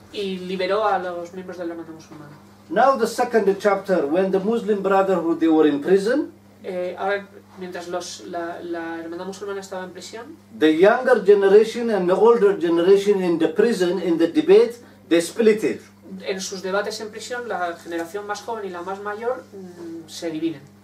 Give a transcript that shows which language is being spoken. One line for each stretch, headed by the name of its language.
Spanish: Y liberó a los miembros de la Hermandad Musulmana.
English: Now the second chapter, when the Muslim Brotherhood they were in prison.
Spanish: Ahora, mientras la Hermandad Musulmana estaba en prisión.
English: The younger generation and the older generation in the prison, in the debate, they split it.
Spanish: En sus debates en prisión, la generación más joven y la más mayor se dividen.